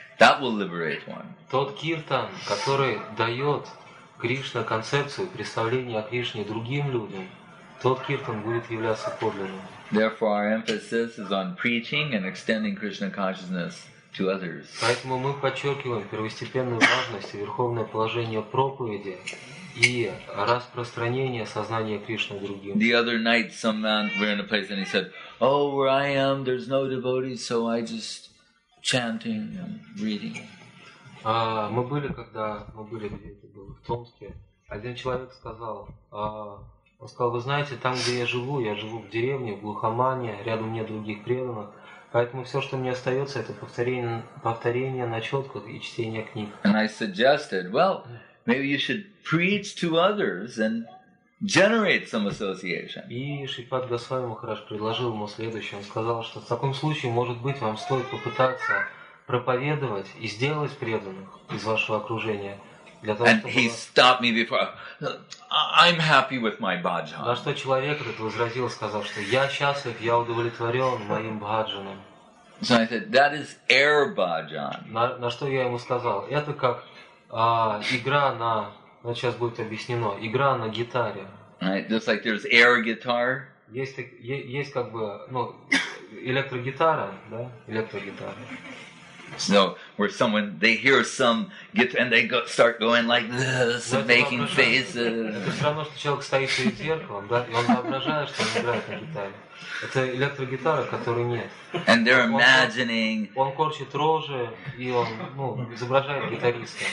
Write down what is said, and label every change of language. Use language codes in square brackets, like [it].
[en] That will liberate one. [ru] Тот киртан, который дает Кришна концепцию, представление о Кришне другим людям, тот киртан будет являться подлинным. [en] Therefore, our emphasis is on preaching and extending Krishna consciousness to others. [ru] Поэтому мы подчеркиваем первостепенную важность и верховное положение проповеди и распространение сознания Кришны другим. [en] The other night some man we were in a place and he said, oh, where I am, there's no devotees, so I just chanting and reading. [ru] Мы были, где это было, в Томске, один человек сказал, он сказал, вы знаете, там, где я живу в деревне, в глухомане, рядом нет других преданных. Поэтому все, что мне остается, это повторение на четках и чтение книг. [en] And I suggested, well, maybe you should preach to others and generate some association. [ru] И Шипад Госвами Махарадж предложил ему следующее. Он сказал, что в таком случае, может быть, вам стоит попытаться проповедовать и сделать преданных из вашего окружения. [en] And he stopped me before. I'm happy with my bhajan. [ru] На что человек этот возразил, сказал, что я счастлив, я удовлетворен моим бхаджаном. [en] So I said, that is air bhajan. [ru] На что я ему сказал, это как игра на, сейчас будет объяснено, игра на гитаре. [en] Right, just like there's air guitar. [ru] Есть как бы, электрогитара, да, электрогитара. [en] So, where someone, they hear some guitar and they go, start going like this, and making faces. [ru] Это все равно, что человек стоит перед зеркалом, да, и он воображает, что он играет на гитаре. Это электрогитара, которой нет. [en] And they're imagining... [ru] Он корчит рожи, и он, изображает гитариста.